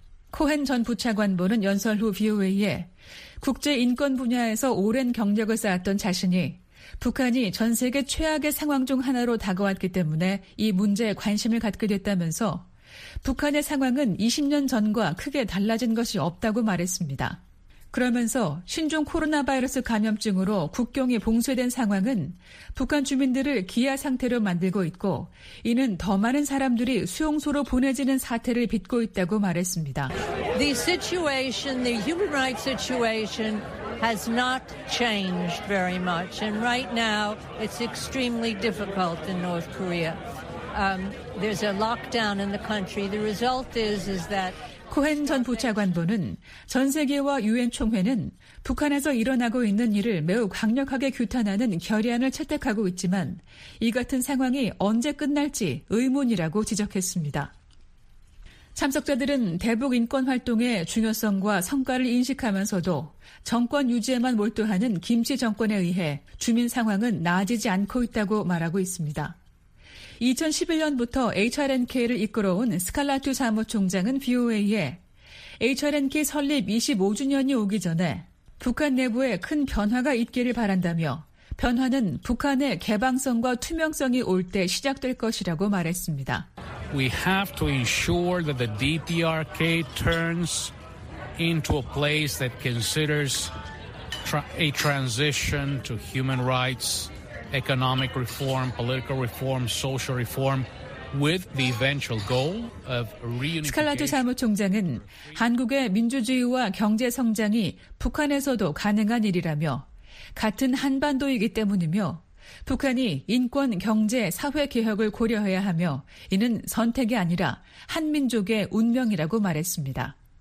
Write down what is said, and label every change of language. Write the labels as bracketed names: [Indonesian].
[Korean] 코헨 전 부차관보는 연설 후 VOA에 국제인권 분야에서 오랜 경력을 쌓았던 자신이 북한이 전 세계 최악의 상황 중 하나로 다가왔기 때문에 이 문제에 관심을 갖게 됐다면서 북한의 상황은 20년 전과 크게 달라진 것이 없다고 말했습니다. 그러면서 신종 코로나 바이러스 감염증으로 국경이 봉쇄된 상황은 북한 주민들을 기아 상태로 만들고 있고 이는 더 많은 사람들이 수용소로 보내지는 사태를 빚고 있다고 말했습니다. [English] The situation, the human rights situation has not changed very much. And right now it's extremely difficult in North Korea. There's a lockdown in the country. The result is that [Korean] 코헨 전 부차관보는 전 세계와 유엔 총회는 북한에서 일어나고 있는 일을 매우 강력하게 규탄하는 결의안을 채택하고 있지만 이 같은 상황이 언제 끝날지 의문이라고 지적했습니다. 참석자들은 대북 인권 활동의 중요성과 성과를 인식하면서도 정권 유지에만 몰두하는 김씨 정권에 의해 주민 상황은 나아지지 않고 있다고 말하고 있습니다. 2011년부터 HRNK를 이끌어온 스칼라투 사무총장은 VOA에 HRNK 설립 25주년이 오기 전에 북한 내부에 큰 변화가 있기를 바란다며 변화는 북한의 개방성과 투명성이 올 때 시작될 것이라고 말했습니다. [English] We have to ensure that the DPRK turns into a place that considers a transition to human rights. Economic reform, political reform, social reform, with the eventual goal of reunification. [Korean] 스칼라드 사무총장은 한국의 민주주의와 경제 성장이 북한에서도 가능한 일이라며 같은 한반도이기 때문이며 북한이 인권, 경제, 사회 개혁을 고려해야 하며 이는 선택이 아니라 한 민족의 운명이라고 말했습니다.